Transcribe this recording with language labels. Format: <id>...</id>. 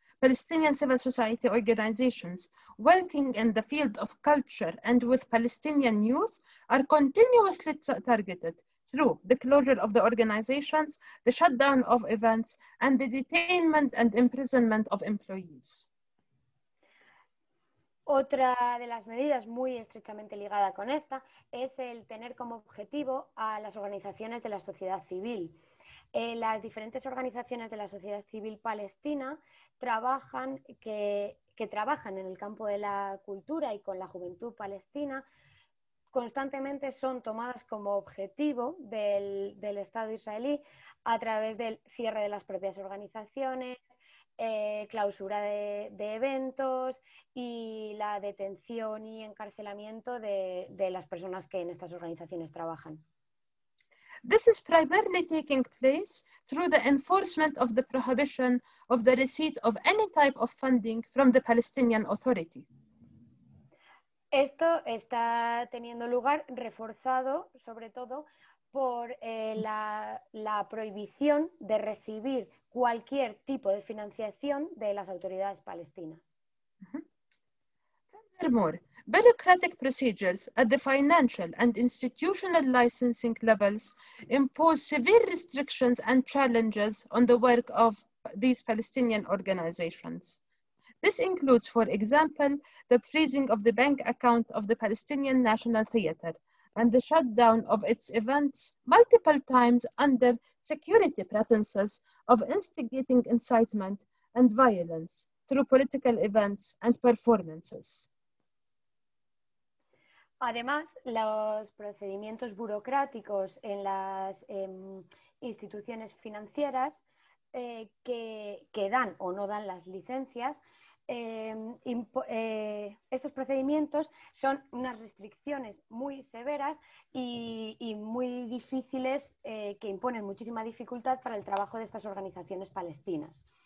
<en>Palestinian civil society organizations working in the field of culture and with Palestinian youth are continuously targeted through the closure of the organizations, the shutdown of events, and the detainment and imprisonment of employees.</en> <es>Otra de las medidas muy estrechamente ligada con esta es el tener como objetivo a las organizaciones de la sociedad civil. Las diferentes organizaciones de la sociedad civil palestina trabajan en el campo de la cultura y con la juventud palestina, constantemente son tomadas como objetivo del Estado israelí a través del cierre de las propias organizaciones, clausura de eventos y la detención y encarcelamiento de las personas que en estas organizaciones trabajan.</es> <en>This is primarily taking place through the enforcement of the prohibition of the receipt of any type of funding from the Palestinian Authority.</en> <es>Esto está teniendo lugar reforzado, sobre todo, por la prohibición de recibir cualquier tipo de financiación de las autoridades palestinas.</es> <en>Furthermore, bureaucratic procedures at the financial and institutional licensing levels impose severe restrictions and challenges on the work of these Palestinian organizations. This includes, for example, the freezing of the bank account of the Palestinian National Theater and the shutdown of its events multiple times under security pretenses of instigating incitement and violence through political events and performances.</en> <es>Además, los procedimientos burocráticos en las instituciones financieras que dan o no dan las licencias, estos procedimientos son unas restricciones muy severas y muy difíciles que imponen muchísima dificultad para el trabajo de estas organizaciones palestinas.</es>